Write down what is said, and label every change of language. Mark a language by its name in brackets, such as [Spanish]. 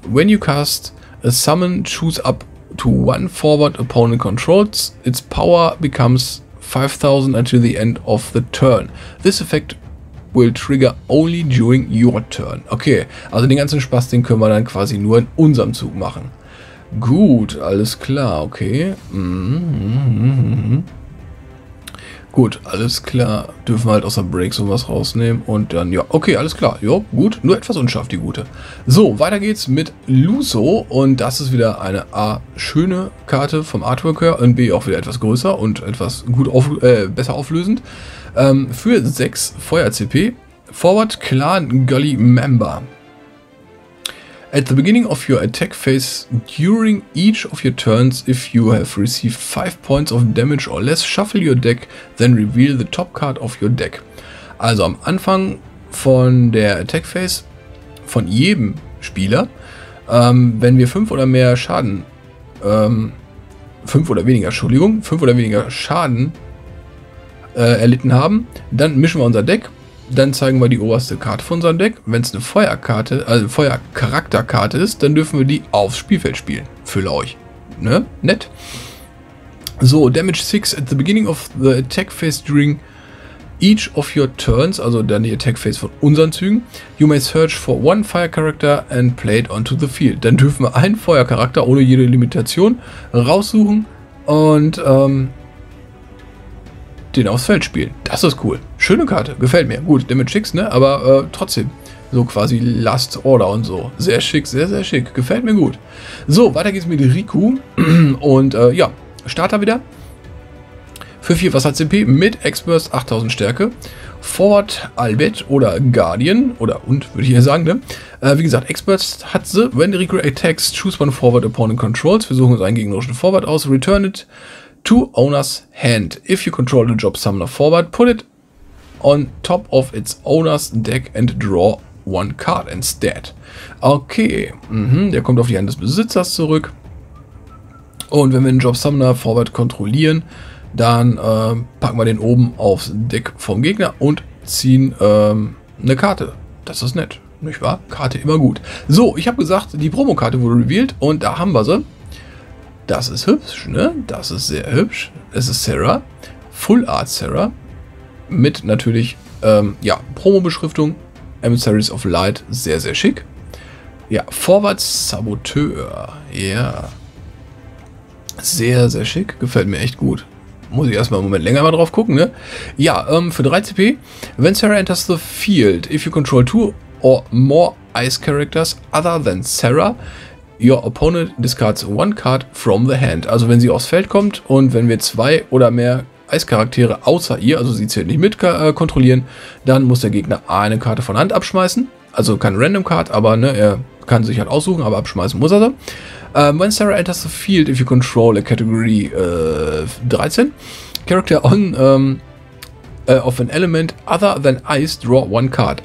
[English] When you cast a summon, choose up to one forward opponent controls. Its power becomes 5000 until the end of the turn. This effect will trigger only during your turn. [German] Okay, also den ganzen Spaß, den können wir dann quasi nur in unserem Zug machen. Gut, alles klar, okay. Gut, alles klar. Dürfen wir halt aus der Break sowas rausnehmen und dann, ja, okay, alles klar. Jo, gut, nur etwas unscharf, die gute. So, weiter geht's mit Luso und das ist wieder eine A, schöne Karte vom Artwork her und B, auch wieder etwas größer und etwas gut auf, besser auflösend. Für 6 Feuer-CP, Forward Clan Gully Member. [English] At the beginning of your attack phase, during each of your turns, if you have received 5 points of damage or less, shuffle your deck, then reveal the top card of your deck. [German] Also am Anfang von der Attack Phase von jedem Spieler, wenn wir 5 oder mehr Schaden, 5 oder weniger, Entschuldigung, 5 oder weniger Schaden erlitten haben, dann mischen wir unser Deck. Dann zeigen wir die oberste Karte von unserem Deck. Wenn es eine Feuerkarte, also Feuercharakterkarte ist, dann dürfen wir die aufs Spielfeld spielen. Für euch. Ne? Nett. So, Damage 6 [English] at the beginning of the attack phase during each of your turns, [German] also dann die Attack Phase von unseren Zügen. [English] You may search for one Fire Character and play it onto the field. [German] Dann dürfen wir einen Feuercharakter ohne jede Limitation raussuchen und den aufs Feld spielen. Das ist cool. Schöne Karte. Gefällt mir. Gut, Damage 6, ne? Aber trotzdem. So quasi Last Order und so. Sehr schick, sehr, sehr schick. Gefällt mir gut. So, weiter geht's mit Riku. Und ja, Starter wieder. Für 4 Wasser-CP mit Exburst 8000 Stärke. Forward Albed oder Guardian. Oder und, würde ich ja sagen, ne? Wie gesagt, Exburst hat sie. [English] When Riku attacks, choose one forward opponent controls. [German] Wir suchen uns einen gegnerischen Forward aus. [English] Return it to owner's hand. If you control the job summoner forward, put it on top of its owner's deck and draw one card instead. [German] Okay, der kommt auf die Hand des Besitzers zurück. Und wenn wir den job summoner forward kontrollieren, dann packen wir den oben aufs Deck vom Gegner und ziehen eine Karte. Das ist nett, nicht wahr? Karte immer gut. So, ich habe gesagt, die Promokarte wurde revealed und da haben wir sie. Das ist hübsch, ne? Das ist sehr hübsch. Es ist Sarah. Full Art Sarah. Mit natürlich Ja, Promo-Beschriftung. Emissaries of Light, sehr, sehr schick. Ja, Vorwärts Saboteur. Ja. Yeah. Sehr, sehr schick. Gefällt mir echt gut. Muss ich erstmal einen Moment länger mal drauf gucken, ne? Ja, für 3 CP. [English] When Sarah enters the field, if you control two or more ice characters other than Sarah, your opponent discards one card from the hand. [German] Also wenn sie aufs Feld kommt und wenn wir zwei oder mehr Eischaraktere außer ihr, also sie zählt nicht mit, kontrollieren, dann muss der Gegner eine Karte von Hand abschmeißen. Also kein Random Card, aber ne, er kann sich halt aussuchen, aber abschmeißen muss er so. [English] When Sarah enters the field, if you control a category 13, character on of an element other than ice, draw one card.